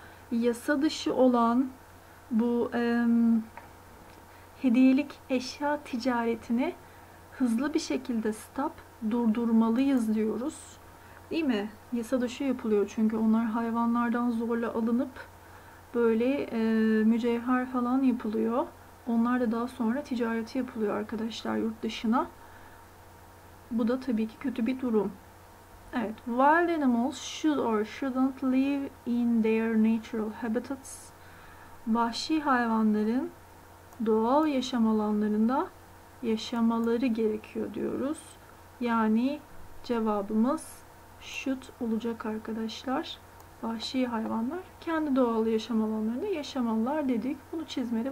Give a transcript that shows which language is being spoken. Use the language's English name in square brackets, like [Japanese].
[Turkish] Yasa dışı olan bu hediyelik eşya ticaretini hızlı bir şekilde stop, durdurmalıyız diyoruz. Değil mi? Yasa dışı yapılıyor çünkü onlar hayvanlardan zorla alınıp böyle mücevher falan yapılıyor. Onlar da daha sonra ticareti yapılıyor arkadaşlar yurt dışına. Bu da tabii ki kötü bir durum. Evet, [English] wild animals should or shouldn't live in their natural habitats. [Turkish] Vahşi hayvanların doğal yaşam alanlarında yaşamaları gerekiyor diyoruz. Yani cevabımız should olacak arkadaşlar. Vahşi hayvanlar kendi doğal yaşam alanlarında yaşamalılar dedik. Bunu çizmeli.